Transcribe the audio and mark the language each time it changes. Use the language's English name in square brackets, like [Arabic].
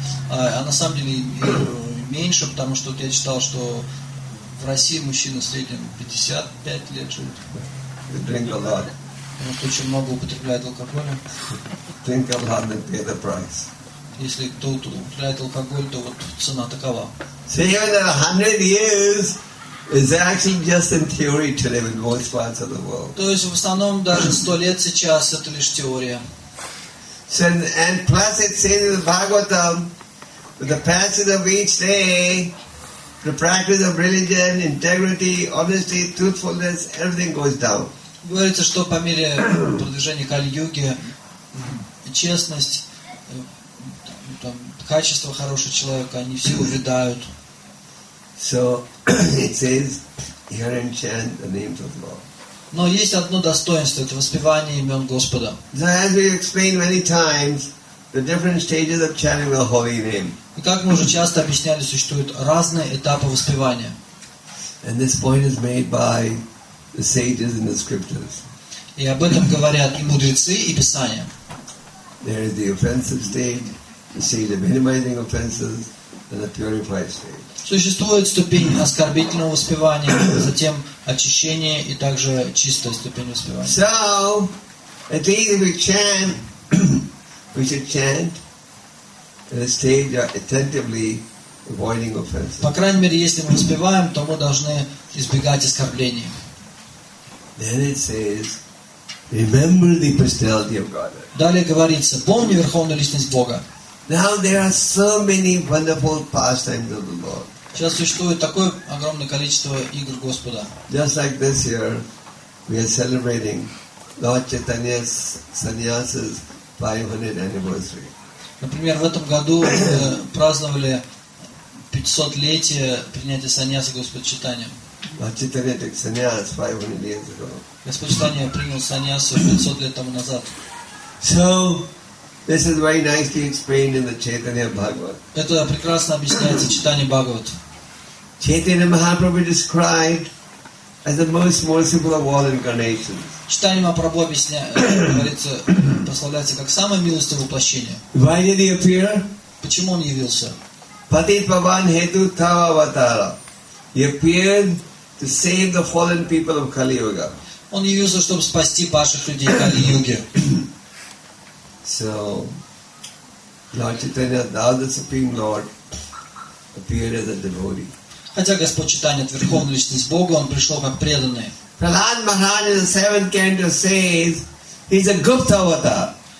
[Russian] А на самом деле меньше, потому что я читал, что в России мужчина в среднем 55 лет живет. [English] They drink a lot. [Russian] Потому что очень много употребляет алкоголя. [English] Drink a lot and pay the price. [Russian] Если кто-то употребляет алкоголь, то вот цена такова. [English] Say even 100 years. It's actually just in theory today in most parts of the world. [Russian] То есть в основном даже 100 лет сейчас это лишь теория. [English] And plus it says in the Bhagavatam, with the passage of each day, the practice of religion, integrity, honesty, truthfulness, everything goes down. [Russian] Говорится, что по мере продвижения Кали-юги честность, там, качество хорошего человека, они все увядают. [English] So it says, hear and chant the names of the Lord. [Russian] Но есть одно достоинство, это воспевание имен Господа. [English] So as we explained many times, the different stages of chanting the holy name. [Russian] И как мы уже часто объясняли, существуют разные этапы воспевания. [English] And this point is made by the sages in the scriptures. [Russian] И об этом говорят и мудрецы, и Писание. [English] There is the offensive stage, the stage of minimizing offenses, and the purified stage. [Russian] Существует ступень оскорбительного воспевания, затем очищение и также чистая ступень воспевания. [English] So, at least if we chant, we should chant in a stage of attentively avoiding offenses. [Russian] По крайней мере, если мы воспеваем, то мы должны избегать оскорблений. [English] Then it says, remember the personality of God. [Russian] Далее говорится, помни верховную личность Бога. [English] Now there are so many wonderful pastimes of the Lord. [Russian] Сейчас существует такое огромное количество игр Господа. [English] Just like this year, we are celebrating Lord Chaitanya Sannyasa's 500th anniversary. [Russian] Например, в этом году праздновали 500-летие принятия саньясы Господь Читанием. [English] Lord Chaitanya took sannyas 500 years ago. [Russian] Господь Читание принял саньясу 500 лет тому назад. [English] So, this is very nicely explained in the Chaitanya Bhagavat. [Russian] Это прекрасно объясняется в Читании Бхагават. [English] Chaitanya Mahaprabhu described as the most merciful of all incarnations. [Russian] Читание Мапрабху объясняется, прославляется как самое милостивое воплощение. [English] Why did he appear? [Russian] Почему он явился? [Sanskrit] Patit pavan hetu tava avatara. [English] He appeared to save the fallen people of Kali Yuga. [Russian] Он явился, чтобы спасти павших людей Кали Юги. [English] So, Lord Chaitanya, now the Supreme Lord, appeared as a devotee. [Russian] Хотя Господь Читания, Верховная Личность Бога, Он пришел как преданный. [English] Prahlad Maharaj in the seventh canto says, he's a Gupta avatar.